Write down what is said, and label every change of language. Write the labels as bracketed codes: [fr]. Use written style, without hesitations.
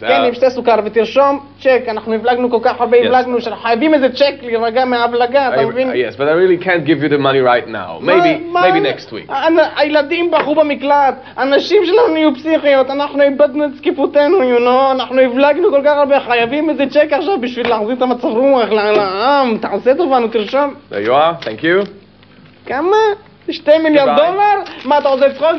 [he] כן, עם שתי סוכר, ותרשום צ'ק, אנחנו הבלגנו כל כך הרבה, הבלגנו, שחייבים איזה צ'ק לרגע מההבלגה, אתה מבין? [en] Yes, but I really can't give you the money right now. Maybe next week. [he] הילדים בחרו במקלט, אנשים שלנו יהיו פסיכיות, אנחנו איבדנו את זקיפותנו, [en] you know? [he] אנחנו הבלגנו כל כך הרבה, חייבים איזה צ'ק עכשיו בשביל להחזיר את המצב רוח לעם. תעשה טובה, נו, תרשום. [en] There you are, thank you. [he] כמה? 2 מיליארד דולר? מה אתה עושה צחוק?